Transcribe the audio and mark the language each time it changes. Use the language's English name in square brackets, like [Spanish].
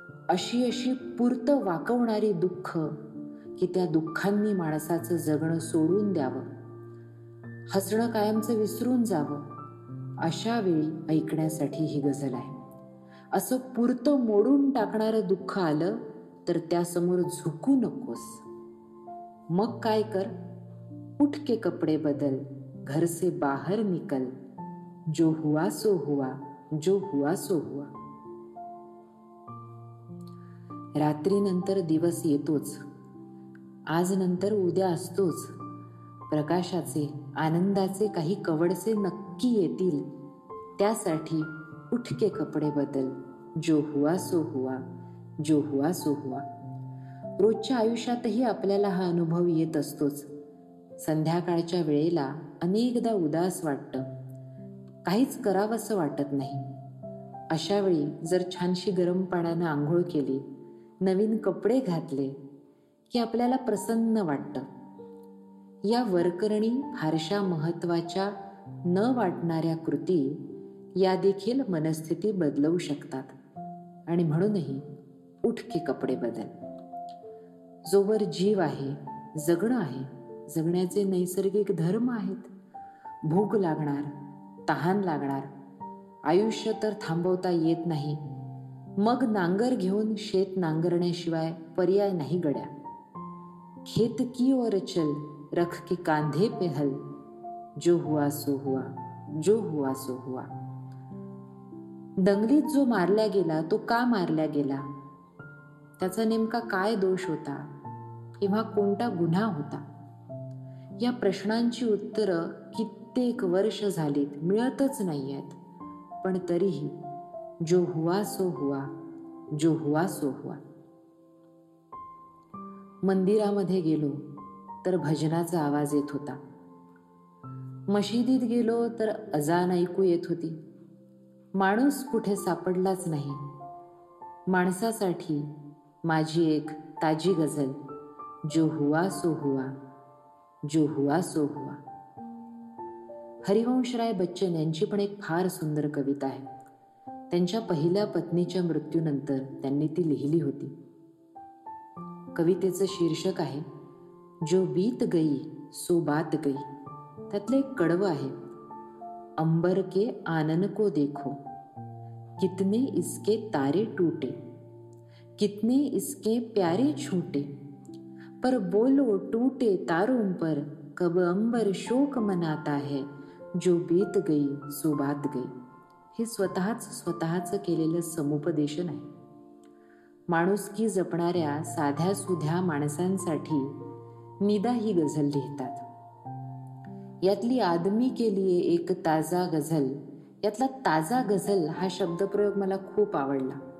[Marathi] अशी अशी पुरतं वाकवणारी दुःख की त्या दुःखांनी माणसाचं जगणं सोडून द्यावं, हसणं कायमचं विसरून जावं, अशा वेळी ऐकण्यासाठी ही गझल आहे. असं पुरतं मोडून टाकणारं दुःख आलं तर त्यासमोर झुकू नकोस. मग काय कर, [Hindi] उठ के कपडे बदल, घर से बाहर निकल, जो हुआ सो हुआ, जो हुआ सो हुआ. [Marathi] रात्रीनंतर दिवस येतोच, आज नंतर उद्या असतोच, प्रकाशाचे आनंदाचे काही कवडसे नक्की येतील. त्यासाठी [Hindi] उठ के कपडे बदल, जो हुआ सो हुआ, जो हुआ सो हुआ. [Marathi] रोजच्या आयुष्यातही आपल्याला हा अनुभव येत असतोच. संध्याकाळच्या वेळेला अनेकदा उदास वाटतं, काहीच करावंसं वाटत नाही. अशा वेळी जर छानशी गरम पाण्यानं आंघोळ केली, नवीन कपडे घातले की आपल्याला प्रसन्न वाटतं. या वरकरणी फारशा महत्त्वाच्या न वाटणाऱ्या कृती या देखील मनस्थिती बदलवू शकतात. आणि म्हणूनही [Hindi] उठ के कपडे बदल. [Marathi] जोवर जीव आहे, जगणं आहे, जगण्याचे नैसर्गिक धर्म आहेत. भूक लागणार, तहान लागणार, आयुष्य तर थांबवता येत नाही. मग नांगर घेऊन शेत नांगरण्याशिवाय पर्याय नाही गड्या. [Hindi] खेत की ओर चल, रख के कांधे पे हल, जो हुआ सो हुआ, जो हुआ सो हुआ. [Marathi] दंगलीत जो मारल्या गेला तो का मारल्या गेला, त्याचा नेमका काय दोष होता किंवा कोणता गुन्हा होता, या प्रश्नांची उत्तरं कित्येक वर्ष झालीत मिळतच नाहीयेत. पण तरीही [Hindi] जो हुआ सो हुआ, जो हुआ सो हुआ. [Marathi] मंदिरामध्ये गेलो तर भजनाचा आवाज येत होता, मशिदीत गेलो तर अजान ऐकू येत होती. माणूस कुठे सापडलाच नाही. माणसासाठी माझी एक ताजी गझल, [Hindi] जो हुआ सो हुआ, [Marathi] जो हुआ सो हुआ. हरिवंशराय बच्चन यांची पण एक फार सुंदर कविता आहे. त्यांच्या पहिल्या पत्नीच्या मृत्यूनंतर त्यांनी ती लिहिली होती. कवितेचं शीर्षक आहे [Hindi] जो बीत गई सो बात गई. [Marathi] त्यातलं एक कडवं आहे, [Hindi] अंबर के आनन को देखो, कितने इसके तारे टूटे, कितने इसके प्यारे छूटे, पर बोलो टूटे तारों पर, कब अंबर शोक मनाता है, जो बीत गई सो बात गई. [Marathi] हे स्वतःच स्वतःच केलेलं समुपदेशन आहे. माणुसकी जपणाऱ्या साध्या सुध्या माणसांसाठी निदा ही गझल लिहितात. यातली [Hindi] आदमी के लिए एक ताजा गझल, [Marathi] यातला ताजा गझल हा शब्दप्रयोग मला खूप आवडला.